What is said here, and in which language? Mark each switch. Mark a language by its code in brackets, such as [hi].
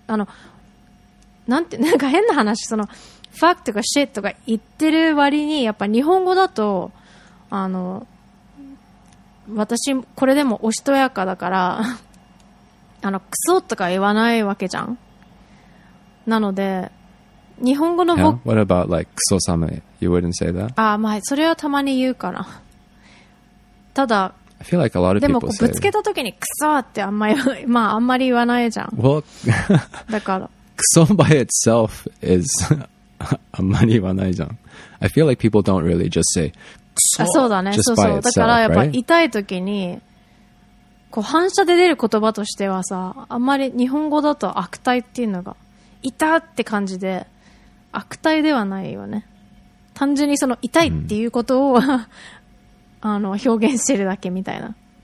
[ja] あの、なんて、なんか変な話、その fuck とか shit とか言ってる割にやっぱ日本語だと、あの、私これでもおしとやかだから、あのクソとか言わないわけじゃん。なので日本語の僕、 [en] What about like クソサメ、 You wouldn't say that? [ja] あ、まあそれはたまに言うかな。ただ [en] I feel like a lot of people [ja] でもぶつけた時にクソってあんまり、まあ、あんまり言わないじゃん。 [en] Well [ja] だからクソ [en] by itself is [ja] あんまり言わないじゃん。 [en] I feel like people don't really just say クソ。 [ja] あ、そうだね、 [en] just [ja] そうそう [en] by itself, [ja] だからやっぱ、 [en] right? [ja] 痛い時にこう反射で出る言葉としてはさ、あんまり日本語だと悪態っていうのが痛って感じで、悪態ではないよね。単純にその痛いっていうことを、うん、あの表現してるだけみたいな。